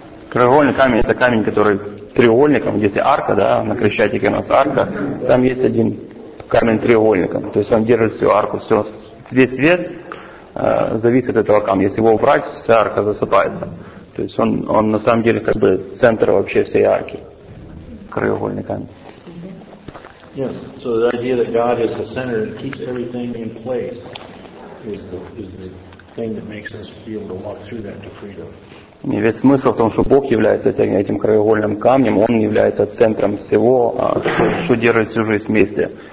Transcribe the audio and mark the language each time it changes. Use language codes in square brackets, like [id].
[ru] Краеугольный камень — это камень, который треугольником, если арка, да, на Крещатике у нас арка, там есть один камень треугольником. То есть он держит всю арку, все, весь вес зависит от этого камня. Если его убрать, вся арка засыпается. То есть он на самом деле как бы центр вообще всей арки. Краеугольный камень. [en] Yes. So the idea that God is the center and keeps everything in place is the thing that makes us be able to walk through that to freedom. [ru] И весь смысл в том, что Бог является этим краеугольным камнем, Он является центром всего, что держит всю жизнь вместе.